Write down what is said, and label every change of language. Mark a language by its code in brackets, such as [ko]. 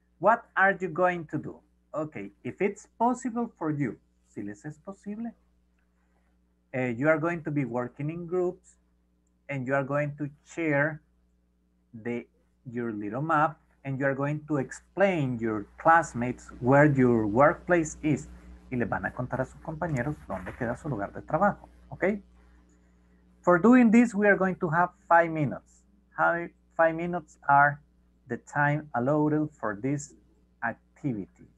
[en] What are you going to do? Okay, if it's possible for you, [es] si les es posible, [en] you are going to be working in groups and you are going to share your little map and you are going to explain your classmates where your workplace is. [es] Y le van a contar a sus compañeros dónde queda su lugar de trabajo, okay? [en] For doing this, we are going to have 5 minutes. 5 minutes are the time allowed for this activity.